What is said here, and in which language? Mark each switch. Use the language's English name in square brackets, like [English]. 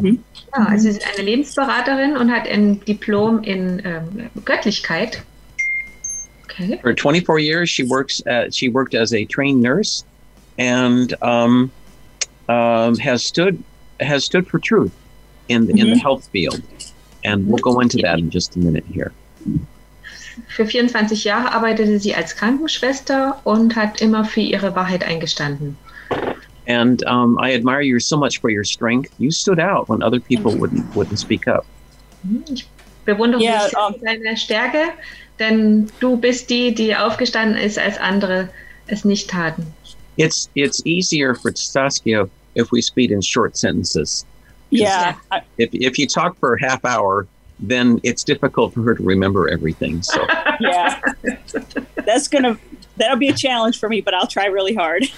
[German] Mm-hmm. Ja, also sie ist eine Lebensberaterin und hat ein Diplom in Göttlichkeit. [English] Okay. For 24 years, she worked as a trained nurse, and has stood for truth in the health field, and we'll go into that in just a minute here. [German] Für 24 Jahre arbeitete sie als Krankenschwester und hat immer für ihre Wahrheit eingestanden. [English] And I admire you so much for your strength. You stood out when other people wouldn't speak up. [German] Ich bewundere mich für deine Stärke. Denn du bist die aufgestanden ist, als andere es nicht taten. [English] It's easier for Saskia if we speak in short sentences. Yeah. If you talk for a half hour, then it's difficult for her to remember everything. So. Yeah. That'll be a challenge for me, but I'll try really hard.